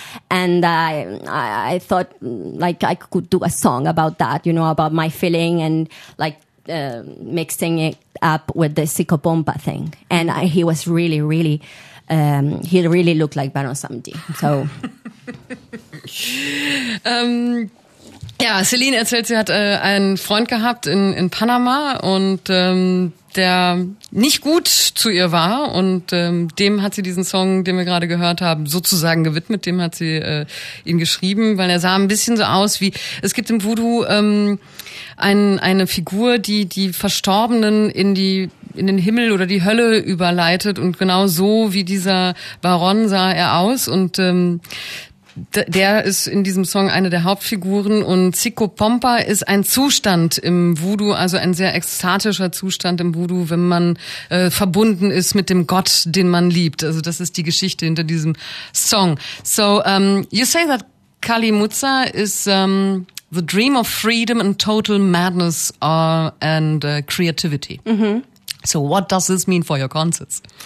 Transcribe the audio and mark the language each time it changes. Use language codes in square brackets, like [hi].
[en] And I thought, like, I could do a song about that, you know, about my feeling, and like mixing it up with the Siko Pompa thing. And he was really, really, he really looked like Baron Samedi. So. [de] Ja, Celine erzählt, sie hat einen Freund gehabt in Panama, und der nicht gut zu ihr war, und dem hat sie diesen Song, den wir gerade gehört haben, sozusagen gewidmet. Dem hat sie ihn geschrieben, weil er sah ein bisschen so aus wie, es gibt im Voodoo eine Figur, die Verstorbenen in den Himmel oder die Hölle überleitet, und genau so wie dieser Baron sah er aus, und der ist in diesem Song eine der Hauptfiguren, und Siko Pompa ist ein Zustand im Voodoo, also ein sehr ekstatischer Zustand im Voodoo, wenn man verbunden ist mit dem Gott, den man liebt. Also das ist die Geschichte hinter diesem Song. [en] So, you say that Kali Mutza is the dream of freedom and total madness and creativity. Mm-hmm. So what does this mean for your concerts?